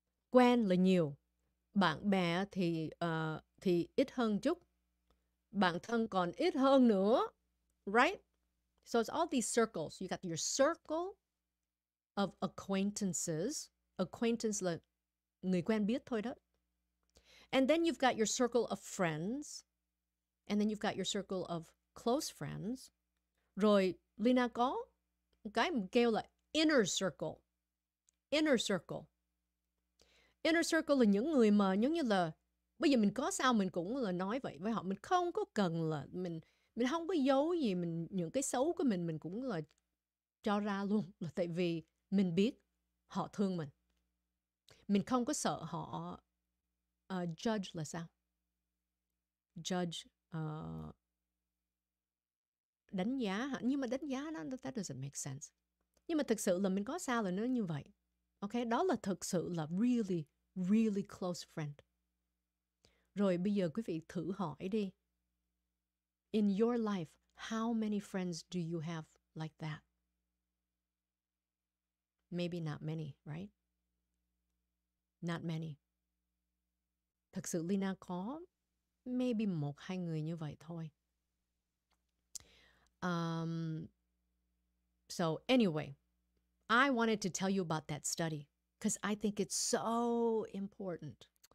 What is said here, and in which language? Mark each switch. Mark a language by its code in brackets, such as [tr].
[vi] Quen là nhiều, bạn bè thì ít hơn chút, bạn thân còn ít hơn nữa, right? [en] So it's all these circles. You got your circle of acquaintances. [vi] Acquaintance là người quen biết thôi đó. [en] And then you've got your circle of friends. And then you've got your circle of close friends. [vi] Rồi Lina có cái kêu là inner circle. Inner circle. Inner circle là những người mà giống như là bây giờ mình có sao mình cũng là nói vậy với họ, mình không có cần là mình không có giấu gì, mình những cái xấu của mình cũng là cho ra luôn, là tại vì mình biết họ thương mình không có sợ họ judge là sao, judge đánh giá hả? Nhưng mà đánh giá nó [en] that doesn't make sense. [vi] Nhưng mà thực sự là mình có sao là nó như vậy. Okay, đó là thực sự là [en] really, really close friend. [vi] Rồi bây giờ quý vị thử hỏi đi. [en] In your life, how many friends do you have like that? Maybe not many, right? Not many. [vi] Thực sự Lina có maybe một hai người như vậy thôi. [en] So anyway, I wanted to tell you about that study because I think it's so important.